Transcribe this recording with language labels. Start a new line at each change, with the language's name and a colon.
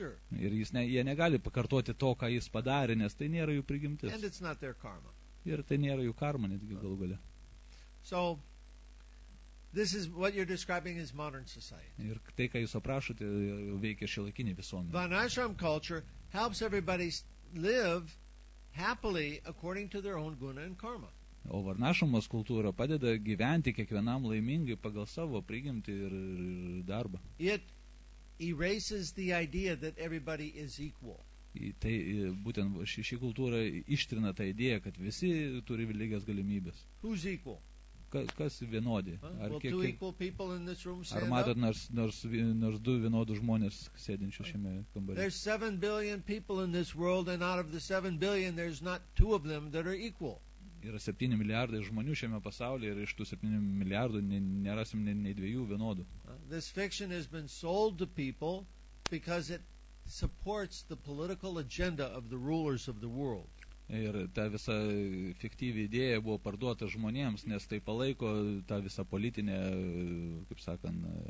Lithuanian: Ir jie negali pakartoti to, ką jis padarė, nes tai nėra jų prigimtis.
English: And it's not their karma.
Lithuanian: Ir tai nėra jų karma, netgi galų gale.
English: So, this is what you're describing as modern society.
Lithuanian: Ir tai, ką jūs aprašote, veikia šiuolaikinė visuomenė.
English: Vanashram culture helps everybody live happily according to their own guna and karma.
Lithuanian: O varnašamos kultūra padeda gyventi kiekvienam laimingai pagal savo prigimtį ir darbą.
English: It erases the idea that everybody is equal.
Lithuanian: Tai būtent ši kultūra ištrina tą idėją, kad visi turi lygias galimybės.
English: Who's equal?
Lithuanian: Kas vienodi? Ar matot nors du vienodus žmonės sėdinčius šiame kambaryje?
English: There's 7 billion people in this world and out of the 7 billion there's not two of them that are equal.
Lithuanian: Yra 7 milijardai žmonių šiame pasaulyje ir iš tų 7 milijardų nerasim nei dviejų vienodų.
English: This fiction has been sold to people because it supports the political agenda of the rulers of the world.
Lithuanian: Ir ta visa fiktyvi idėja buvo parduota žmonėms, nes tai palaiko tą visą politinę, kaip sakant,